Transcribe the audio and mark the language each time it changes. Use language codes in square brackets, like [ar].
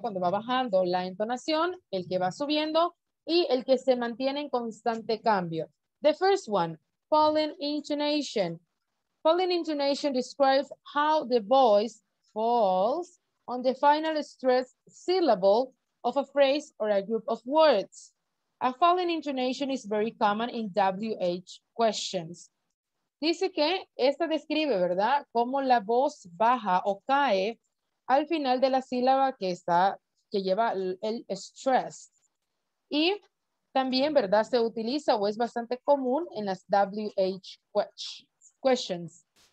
[es] Cuando va bajando la entonación, el que va subiendo y el que se mantiene en constante cambio. [en] The first one, falling intonation. Falling intonation describes how the voice falls on the final stressed syllable of a phrase or a group of words. A falling intonation is very common in WH questions. [es] Dice que esta describe, ¿verdad?, cómo la voz baja o cae al final de la sílaba que está, que lleva el stress. Y también, ¿verdad?, se utiliza o es bastante común en las WH questions.